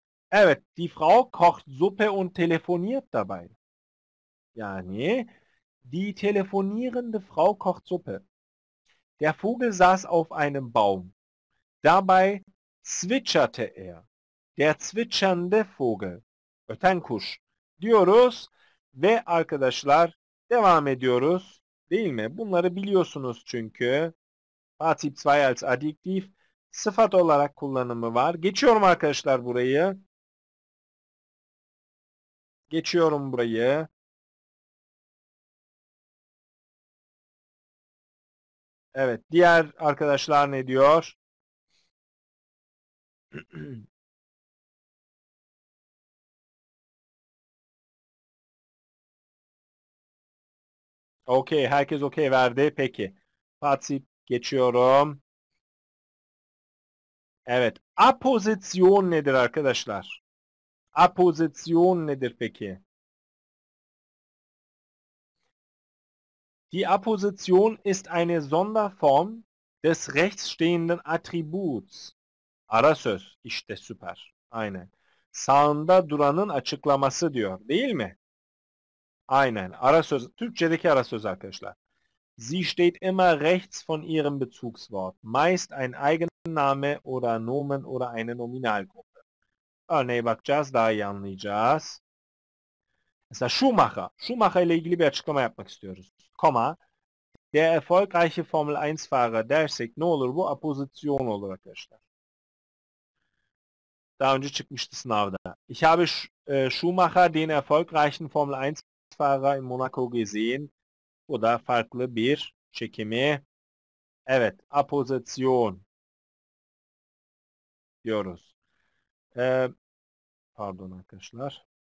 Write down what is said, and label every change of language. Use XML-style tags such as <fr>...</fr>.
<tr>Evet,</tr> <de>die Frau kocht Suppe und telefoniert dabei.</de> <tr>Yani,</tr> <de>die telefonierende Frau kocht Suppe. Der Vogel saß auf einem Baum. Dabei zwitscherte er. Der zwitschernde Vogel.</de> <tr>Öten kuş diyoruz ve arkadaşlar devam ediyoruz. Değil mi? Bunları biliyorsunuz çünkü. Partizip 2 als adjektif sıfat olarak kullanımı var. Geçiyorum arkadaşlar burayı. Geçiyorum burayı. Evet, diğer arkadaşlar ne diyor? Okey, herkes okey verdi. Peki. Partizip geçiyorum. Evet, aposisyon nedir arkadaşlar? Apposition nedir peki?</tr> <de>Die Apposition ist eine Sonderform des rechtsstehenden Attributs.</de> <tr>Ara söz. İşte süper. Aynen. Sağında duranın açıklaması diyor. Değil mi? Aynen. Ara söz. Türkçedeki ara söz arkadaşlar.</tr> <de>Sie steht immer rechts von ihrem Bezugswort. Meist ein Eigenname oder Nomen oder eine Nominalgruppe.</de> <tr>Örneğe bakacağız. Daha iyi anlayacağız. Mesela Schumacher. Schumacher ile ilgili bir açıklama yapmak istiyoruz. Koma.</tr> <de>Der erfolgreiche Formel 1 Fahrer</de> <tr>dersek ne olur? Bu apposition olur arkadaşlar. Daha önce çıkmıştı sınavda.</tr> <de>Ich habe Schumacher den erfolgreichen Formel 1 Fahrer in Monaco gesehen.</de> <tr>Bu da farklı bir çekimi. Evet, apposition diyoruz. Pardon arkadaşlar.</tr>